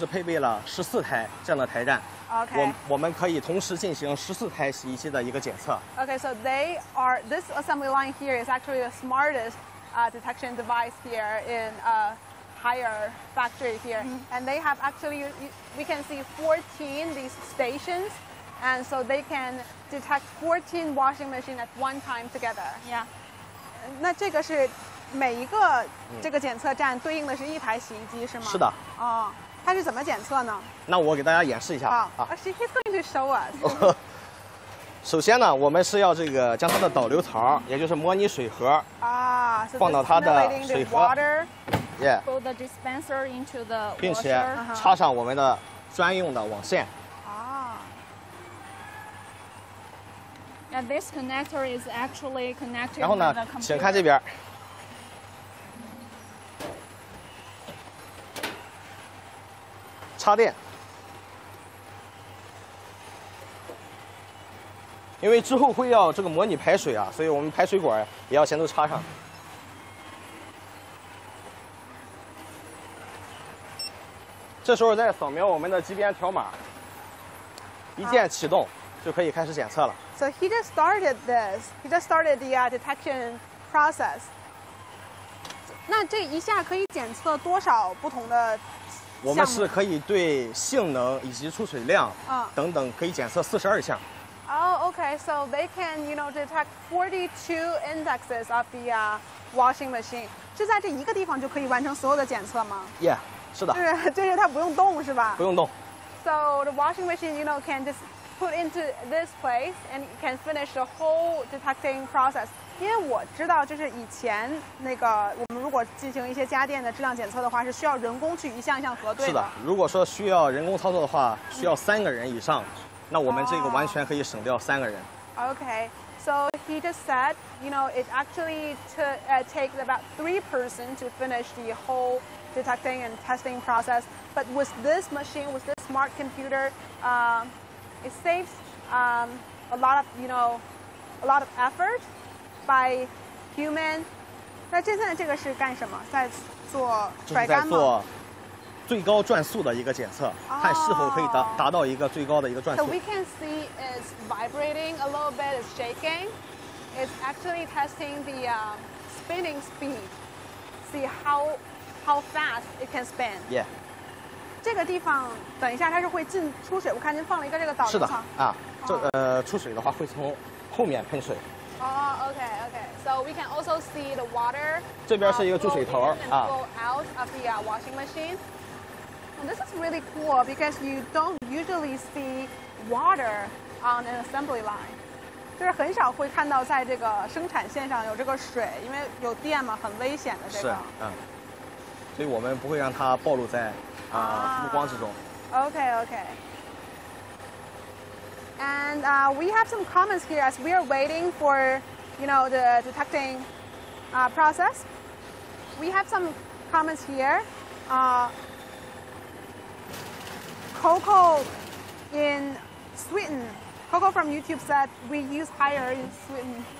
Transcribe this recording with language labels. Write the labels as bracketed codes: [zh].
[zh] 那您给我们讲一下这个检测站是怎么工作的？好的，那在我们面前呢，这就是这个现在中德滚筒最智慧的一条线体的智慧检测台站。那我们这条线体是总共是配备了14台这样的台站。 [en] Okay. [zh] 我们可以同时进行14台洗衣机的一个检测。 [en] Okay, so this assembly line here is actually the smartest detection device here in a higher factory here.、 Mm-hmm. And they have actually, we can see 14 these stations, and so they can detect 14 washing machines at one time together. Yeah. [zh] 那这个是每一个这个检测站对应的是一台洗衣机是吗？是的。哦。它是怎么检测呢？那我给大家演示一下。 [en] He's going to show us. [zh] 首先呢，我们是要这个将它的导流槽，也就是模拟水盒，放到它的水盒。 [en] Yeah. Put the dispenser into the washer. [zh] 并且插上我们的专用的网线。 [en] Yeah, this connector is actually connected to the computer. [zh] 然后呢，请看这边。插电，因为之后会要这个模拟排水啊，所以我们排水管也要先都插上。这时候再扫描我们的机边条码，一键启动就可以开始检测了。 [en] So he just started this. He just started the detection process. [zh] 那这一下可以检测多少不同的项目？我们是可以对性能以及出水量等等可以检测42项。 [en] Oh, okay. So they can, you know, detect 42 indexes of the washing machine. [zh] 是在这一个地方就可以完成所有的检测吗？ [en] Yeah. [zh] 是的，就是它不用动是吧？不用动。 [en] So the washing machine, you know, can just put into this place and can finish the whole detecting process. [zh] 因为我知道，就是以前那个我们如果进行一些家电的质量检测的话，是需要人工去一项一项核对的。是的，如果说需要人工操作的话，需要3个人以上，那我们这个完全可以省掉3个人。 [en] Okay, so he just said, you know, it actually takes about 3 persons to finish the whole. Detecting and testing process, but with this machine, with this smart computer, it saves a lot of effort by human. [zh] 那现在这个是干什么？在做甩干吗？就是在做最高转速的一个检测，看是否可以达到一个最高的一个转速。 [en] So we can see it's vibrating a little bit, it's shaking. It's actually testing the spinning speed. See how fast it can spin. Yeah. [zh] 这个地方等一下它是会进出水，我看您放了一个这个导流槽。是的啊，这出水的话会从后面喷水。 [en] Okay. So we can also see the water. [zh] 这边是一个注水头啊。 [en] Flow out of the washing machine. And this is really cool because you don't usually see water on an assembly line. [zh] 就是很少会看到在这个生产线上有这个水，因为有电嘛，很危险的这个。是啊，嗯。所以我们不会让它暴露在目光之中。 [en] Okay. And we have some comments here as we are waiting for, you know, the detecting process. We have some comments here. Coco in Sweden. Coco from YouTube said we use higher in Sweden.